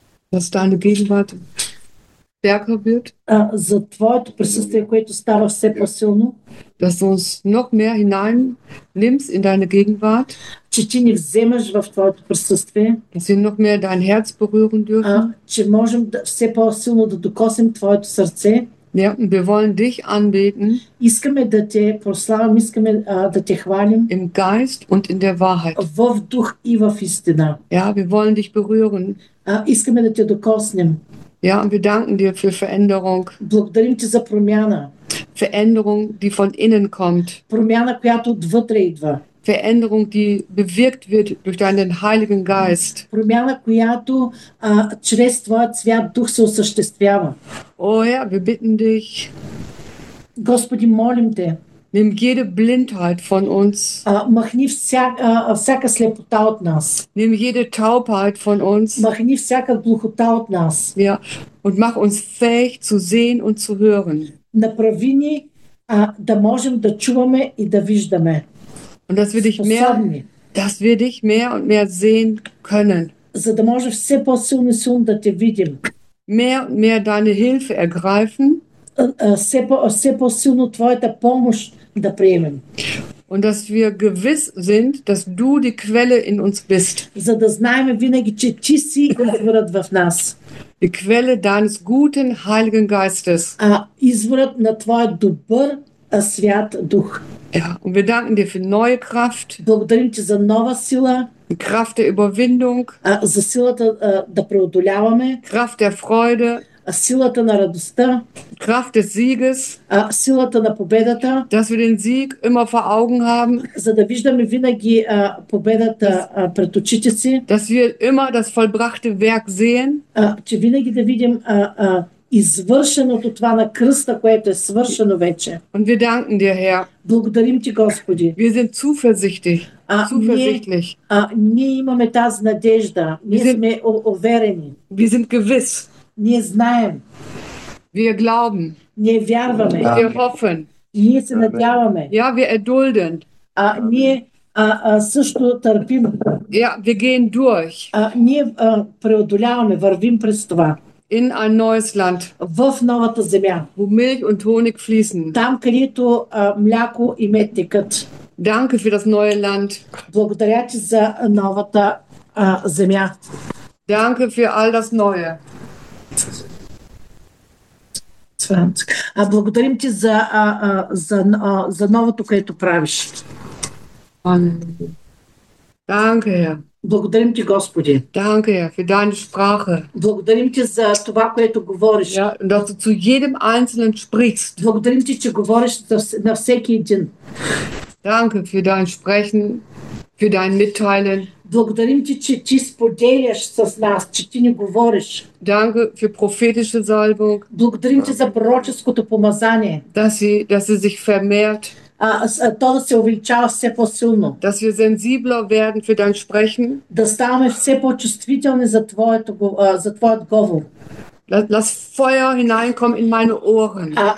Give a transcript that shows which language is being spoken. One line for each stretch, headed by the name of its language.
German: dass deine Gegenwart stärker wird,
Bulgarian: за твоето присъствие, което става все по-силно,
German: dass du uns noch mehr hinein nimmst in deine Gegenwart,
Bulgarian: че ти ни вземаш в твоето присъствие,
German: dass wir noch mehr dein Herz berühren dürfen,
Bulgarian: че можем все по-силно да докосим твоето сърце.
German: Ja, wir wollen dich anbeten.
Bulgarian: Искаме да те прославим, искаме да те хвалим.
German: Im Geist und in der Wahrheit.
Bulgarian: В дух и в истина.
German: Ja, wir wollen dich berühren.
Bulgarian: Искаме да те докоснем.
German: Ja, und wir danken dir für Veränderung.
Bulgarian: Благодарим ти за промяна.
German: Veränderung, die von innen kommt.
Bulgarian: Промяна, която отвътре идва.
German: Veränderung, die bewirkt wird durch deinen Heiligen Geist.
Bulgarian: Промяна, която чрез твоят Свят Дух се осъществява.
German: Oh ja, wir bitten dich.
Bulgarian: Господи, молим те.
German: Nimm jede Blindheit von uns.
Bulgarian: Махни всяка слепота от нас.
German: Nimm jede Taubheit von uns.
Bulgarian: Махни всяка глухота от нас.
German: Ja, und mach uns fähig zu sehen und zu hören.
Bulgarian: Направи ни да можем да чуваме и да виждаме.
German: Und das würde ich mehr,
Bulgarian: Sposobni.
German: das würde ich mehr und mehr sehen können.
Bulgarian: За да може все по-силно и силно да те видим.
German: Mehr und mehr deine Hilfe ergreifen.
Bulgarian: Все по-силно твоята помощ да приемем.
German: Und dass wir gewiss sind, dass du die Quelle in uns bist.
Bulgarian: За да знаем винаги, че ти си изворът в нас.
German: Die Quelle deines guten, heiligen Geistes.
Bulgarian: Изворът на твой добър, свят дух.
German: Ja, und wir danken dir für neue Kraft,
Bulgarian: Благодарим ти за нова сила,
German: die Kraft der Überwindung,
Bulgarian: за силата да преодоляваме,
German: Kraft der Freude,
Bulgarian: силата на радостта,
German: Kraft des Sieges,
Bulgarian: силата на победата,
German: dass wir den Sieg immer vor Augen haben,
Bulgarian: за да виждаме винаги победата пред очите си,
German: dass wir immer das vollbrachte Werk sehen.
Bulgarian: че винаги да видим извършеното това на кръста, което е свършено вече.
German: Und wir danken dir, Herr.
Bulgarian: Благодарим ти, Господи.
German: Wir sind zuversichtlich, zuversichtlich.
Bulgarian: Ние имаме тази надежда.
German: Wir
Bulgarian: Ние сме уверени.
German: sind gewiss.
Bulgarian: Ние знаем.
German: Wir glauben.
Bulgarian: Ние вярваме.
German: Wir hoffen.
Bulgarian: Ние се надяваме.
German: Ja, wir erdulden.
Bulgarian: Ние също търпим.
German: Ja, wir gehen durch.
Bulgarian: Ние преодоляваме, вървим през това.
German: In ein neues Land,
Bulgarian: В новата земя.
German: wo Milch und Honig fließen.
Bulgarian: Там, където мляко и мед текат.
German: Danke für das neue Land.
Bulgarian: Благодаря ти за новата земя.
German: Danke für all das Neue.
Bulgarian: Благодарим ти за новото, което правиш.
German: Amen. Danke, Herr.
Bulgarian: Благодарим ти, Господи.
German: Danke, Herr, für deine Sprache.
Bulgarian: Благодарим ти за това, което говориш.
German: Ja, dass du zu jedem Einzelnen sprichst.
Bulgarian: Благодарим ти, че говориш на всеки един.
German: Danke für dein Sprechen, für dein Mitteilen.
Bulgarian: Благодарим ти, че ти споделяш с нас, че ти ни говориш.
German: Danke für prophetische Salbung,
Bulgarian: Благодарим ти за пророческото помазание.
German: dass sie sich vermehrt,
Bulgarian: То да се увеличава все по-силно.
German: dass wir sensibler werden für dein Sprechen.
Bulgarian: Да ставаме все по-чувствителни за твоят говор.
German: Lass Feuer hineinkommen in meine Ohren.